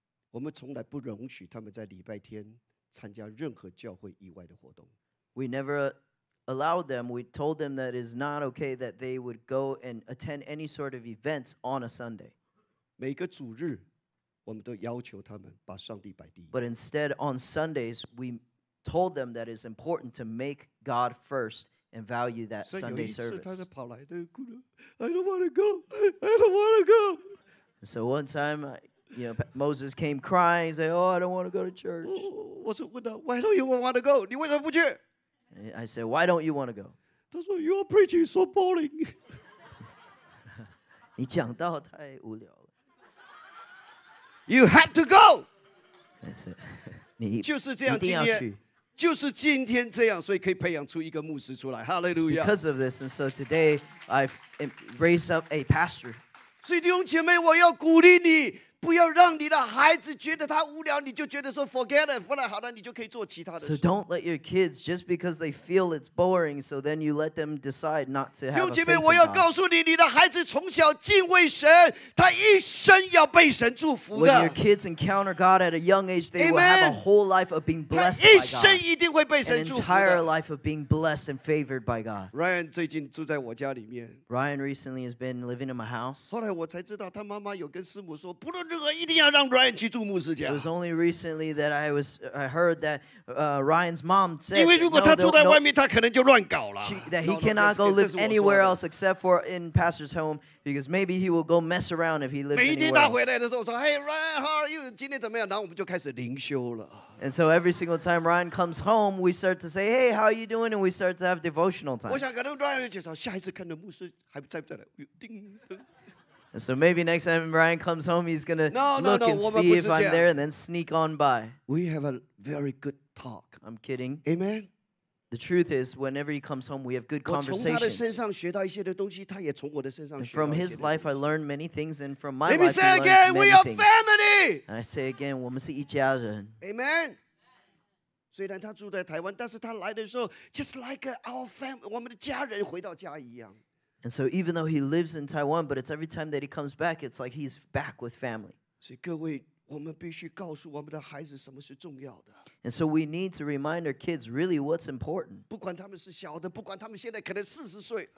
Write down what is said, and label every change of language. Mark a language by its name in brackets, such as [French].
[Chinese] 我们从来不容许他们在礼拜天参加任何教会以外的活动。 [English] We never allowed them, we told them that it is not okay that they would go and attend any sort of events on a Sunday. [Chinese] 每个主日我们都要求他们把上帝摆第一。 [English] But instead, on Sundays, we told them that it's important to make God first and value that Sunday service. [Chinese] 所以有一次他就跑来， [English] I don't want to go, I don't want to go. So one time, you know, Moses came crying, saying, oh, I don't want to go to church. [Chinese] 我说问他， [English] why don't you want to go? [Chinese] 你为什么不去？ [English] I said, why don't you want to go? [Chinese] 他说， [English] your preaching is so boring. [Chinese] 你讲道太无聊了。 [English] You have to go. [Chinese] 你就是这样，今天就是今天这样，所以可以培养出一个牧师出来。 [English] Hallelujah. Because of this, and so today I've raised up a pastor. [Chinese] 所以弟兄姐妹，我要鼓励你，不要让你的孩子觉得他无聊，你就觉得说 [English] forget it， [Chinese] 不然好了，你就可以做其他的事。 [English] So don't let your kids just because they feel it's boring, so then you let them decide not to have. [Chinese] 弟兄姐妹，我要告诉你，你的孩子从小敬畏神，他一生要被神祝福的。 [English] When your kids encounter God at a young age, they will have a whole life of being blessed by God. [Chinese] 他一生一定会被神祝福的。 [English] An entire life of being blessed and favored by God. [Chinese] Ryan 最近住在我家里面。 [English] Ryan recently has been living in my house. [Chinese] 后来我才知道，他妈妈有跟师母说，不论一定要让 Ryan 去住牧师家。 [English] It was only recently that I heard that Ryan's mom said, [Chinese] 因为如果他住在外面，他可能就乱搞了。 [English] That he cannot go live anywhere else except for in pastor's home, because maybe he will go mess around if he lives anywhere else. [Chinese] 每一天他回来的时候，我说 ， [English] Hey Ryan, how are you? [Chinese] 今天怎么样？然后我们就开始灵修了。 [English] And so every single time Ryan comes home, we start to say, "Hey, how are you doing?" And we start to have devotional time. [Chinese] 我想跟 Ryan 就说，下一次看到牧师还在不在了？叮。 [English] So maybe next time Brian comes home, he's going to look and see if I'm there and then sneak on by. We have a very good talk. I'm kidding. Amen. The truth is, whenever he comes home, we have good conversations. And from his life, I learned many things, and from my life, I learned many things. Let me say again, we are family! And I say again, [Chinese] 我们是一家人。 Amen. 虽然他住在台湾，但是他来的时候, [English] just like our family, [Chinese] 我们的家人回到家一样。 [English] And so even though he lives in Taiwan, but it's every time that he comes back, it's like he's back with family. [Chinese] 所以各位，我们必须告诉我们的孩子什么是重要的。 [English] And so we need to remind our kids really what's important. [Chinese] 不管他们是小的，不管他们现在可能四十岁。